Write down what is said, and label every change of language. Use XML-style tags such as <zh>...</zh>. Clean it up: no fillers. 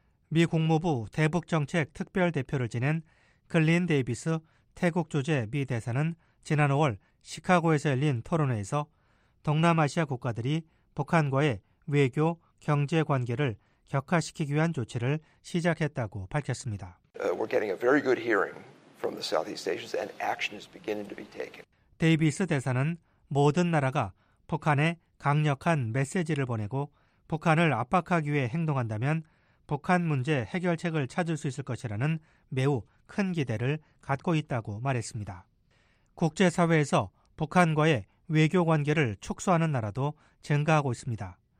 <ko>미 국무부 대북정책 특별대표를 지낸 글린 데이비스 태국 주재 미 대사는 지난 5월 시카고에서 열린 토론회에서 동남아시아 국가들이 북한과의 외교, 경제 관계를 격화시키기 위한 조치를 시작했다고 밝혔습니다.</ko> <en>We're getting a very good hearing from the Southeast Asians and action is beginning to be taken.</en> <ko>데이비스 대사는 모든 나라가 북한에 강력한 메시지를 보내고 북한을 압박하기 위해 행동한다면 북한 문제 해결책을 찾을 수 있을 것이라는 매우 큰 기대를 갖고 있다고 말했습니다. 국제사회에서 북한과의 외교 관계를 축소하는 나라도 증가하고 있습니다.</ko>